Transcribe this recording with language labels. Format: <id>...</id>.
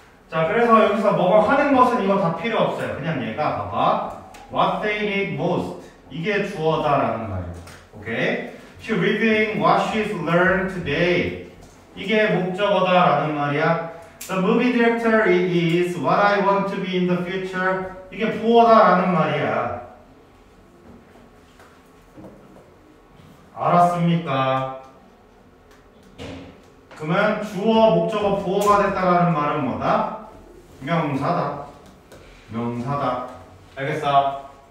<ko>자, 그래서 여기서 뭐가 하는 것은 이거 다 필요 없어요. 그냥 얘가 봐봐.</ko> <en>What they need most.</en> <ko>이게 주어다 라는 말이에요.</ko> <en>오케이? She reviewing what she's learned today.</en> <ko>이게 목적어다 라는 말이야.</ko> <en>The movie director is what I want to be in the future.</en> <ko>이게 부어다 라는 말이야. 알았습니까? 그러면 주어, 목적어, 부어가 됐다라는 말은 뭐다? 명사다. 명사다. 알겠어?</ko>